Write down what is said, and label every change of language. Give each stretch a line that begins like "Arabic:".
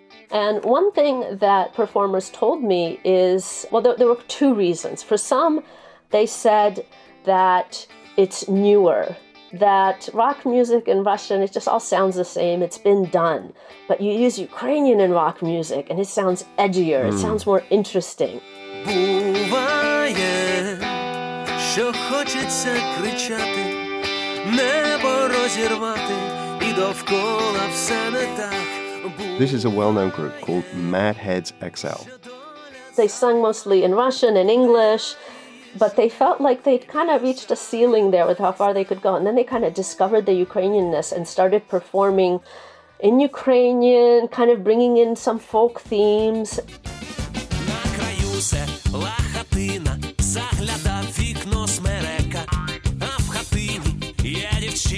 English: And one thing that performers told me is, well, there were two reasons. For some, they said that it's newer, that rock music in Russian, it just all sounds the same, it's been done. But you use Ukrainian in rock music and it sounds edgier, It sounds more interesting.
Ukrainian: Буває, що хочеться кричати, небо розірвати, і довкола все не так.
English: This is a well-known group called Madheads XL. They sung mostly in Russian and English, but they felt like they'd kind of reached a ceiling there with how far they could go. And then they kind of discovered the Ukrainian-ness and started performing in Ukrainian, kind of bringing in some folk themes.
Ukrainian: Лахатина, заглядав вікно смерека, а в хатині є дівчина.